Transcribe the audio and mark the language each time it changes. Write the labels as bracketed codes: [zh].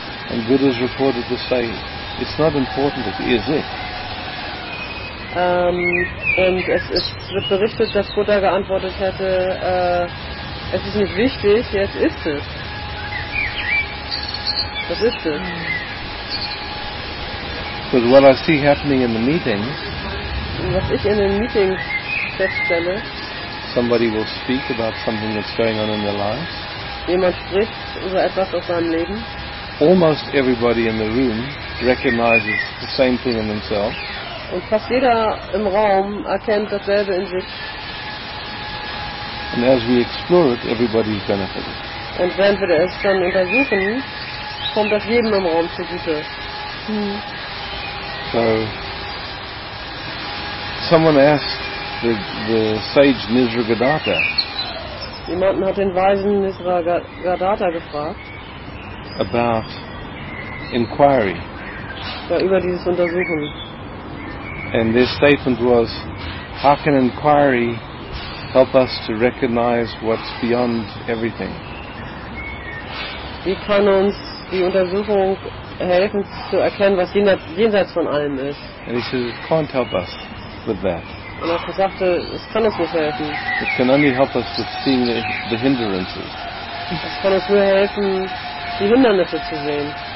[en] And Buddha is reported to say, it's not important, it is it. [de] Und es wird berichtet, dass Buddha geantwortet hätte, es ist nicht wichtig, jetzt ist es. Das ist es. [en] But what I see happening in the meeting, [de] was ich in den Meetings feststelle, [en] somebody will speak about something that's going on in their lives. [de] Jemand spricht über etwas aus seinem Leben. [en] Almost everybody in the room recognizes the same thing in themselves. [de] Und fast jeder im Raum erkennt dasselbe in sich. [en] And as we explore it, everybody is benefiting. [de] Und wenn wir es dann untersuchen, kommt das jedem im Raum zugute. [en] So, someone asked the sage Nisargadatta. [de] Jemand hat den weisen Nisargadatta gefragt. [en] About inquiry. [de] Über dieses Untersuchen. [en] And their statement was, how can inquiry help us to recognize what's beyond everything? [de] Wie kann uns die Untersuchung helfen zu erkennen, was jenseits von allem ist? [en] And he says, it can't help us with that. [de] Und er sagte, es kann uns nicht helfen. [en] It can only help us with seeing the hindrances. [de] Es kann uns nur helfen, die Hindernisse zu sehen.